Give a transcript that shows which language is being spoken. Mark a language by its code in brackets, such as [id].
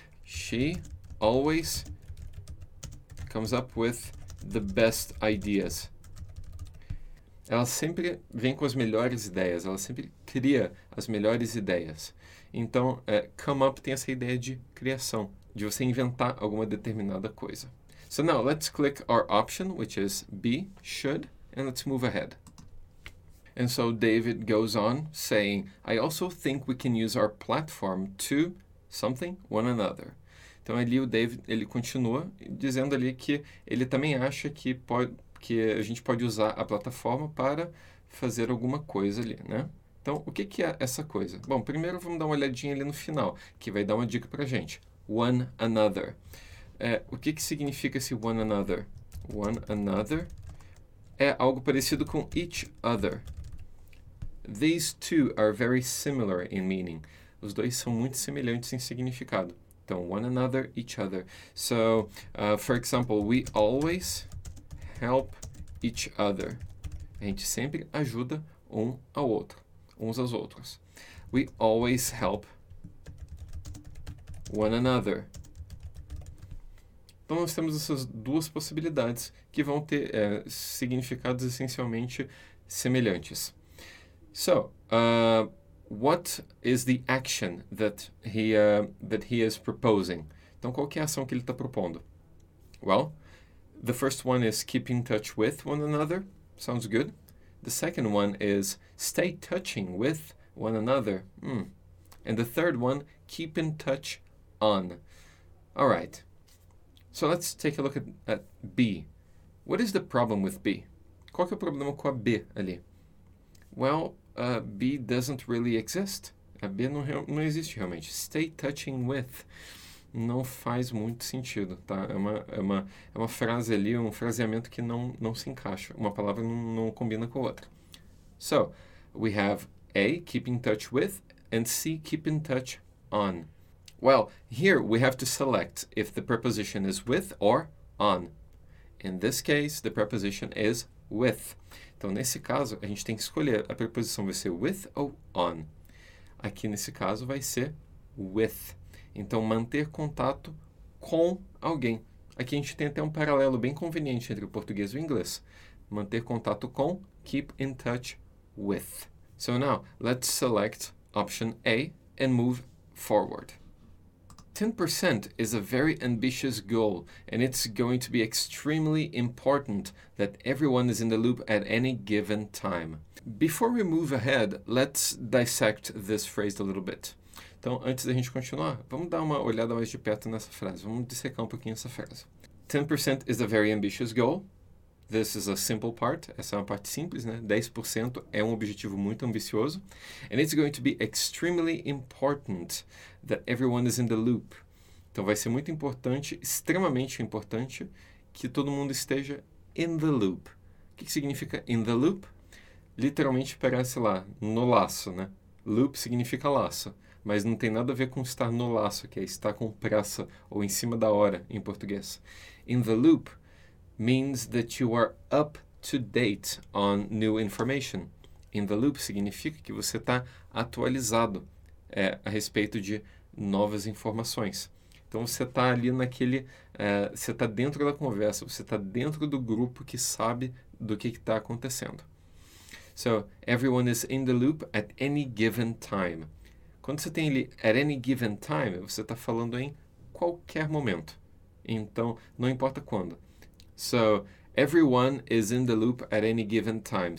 [en] She always comes up with the best ideas. [pt] Ela sempre vem com as melhores ideias, ela sempre cria as melhores ideias. Então, come up tem essa ideia de criação, de você inventar alguma determinada coisa. [en] So now let's click our option, which is B, should, and let's move ahead. And so David goes on saying, I also think we can use our platform to something, one another. [pt] Então ali o David, ele continua dizendo ali que ele também acha que a gente pode usar a plataforma para fazer alguma coisa ali, né? Então, o que que é essa coisa? Bom, primeiro vamos dar uma olhadinha ali no final, que vai dar uma dica para a gente. One another. O que que significa esse one another? One another é algo parecido com each other. [en] These two are very similar in meaning. [pt] Os dois são muito semelhantes em significado. [en] Então, one another, each other. So, for example, we always help each other. [pt] A gente sempre ajuda um ao outro, uns aos outros. [en] We always help one another. [pt] Então, nós temos essas duas possibilidades que vão ter significados essencialmente semelhantes. [en] So, what is the action that he is proposing? [pt] Então, qual que é a ação que ele está propondo? [en] Well, the first one is keep in touch with one another. Sounds good. The second one is stay touching with one another. And the third one, keep in touch on. All right. So let's take a look at B. What is the problem with B? [pt] Qual que é o problema com a B ali? [en] Well, B doesn't really exist. [pt] A B não existe realmente. Stay touching with não faz muito sentido, tá? É uma frase ali, um fraseamento que não se encaixa. Uma palavra não combina com a outra. [en] So, we have A, keep in touch with, and C, keep in touch on. Well, here we have to select if the preposition is with or on. In this case, the preposition is with. [pt] Então, nesse caso, a gente tem que escolher a preposição vai ser with ou on. Aqui nesse caso vai ser with. Então, manter contato com alguém. Aqui a gente tem até um paralelo bem conveniente entre o português e o inglês. Manter contato com, keep in touch with. [en] So now, let's select option A and move forward. 10% is a very ambitious goal, and it's going to be extremely important that everyone is in the loop at any given time. Before we move ahead, let's dissect this phrase a little bit. [pt] Então, antes da gente continuar, vamos dar uma olhada mais de perto nessa frase. Vamos dissecar um pouquinho essa frase. [en] 10% is a very ambitious goal. This is a simple part. [pt] Essa é uma parte simples, né? 10% é um objetivo muito ambicioso. [en] And it's going to be extremely important that everyone is in the loop. [pt] Então, vai ser muito importante, extremamente importante, que todo mundo esteja in the loop. O que significa in the loop? Literalmente, parece lá, no laço, né? Loop significa laço. Mas não tem nada a ver com estar no laço, que é estar com pressa ou em cima da hora, em português. [en] In the loop means that you are up to date on new information. [pt] In the loop significa que você está atualizado a respeito de novas informações. Então você está ali naquele, você está dentro da conversa, você está dentro do grupo que sabe do que está acontecendo. [en] So, everyone is in the loop at any given time. [pt] Quando você tem ali at any given time, você está falando em qualquer momento. Então, não importa quando. [en] So, everyone is in the loop at any given time.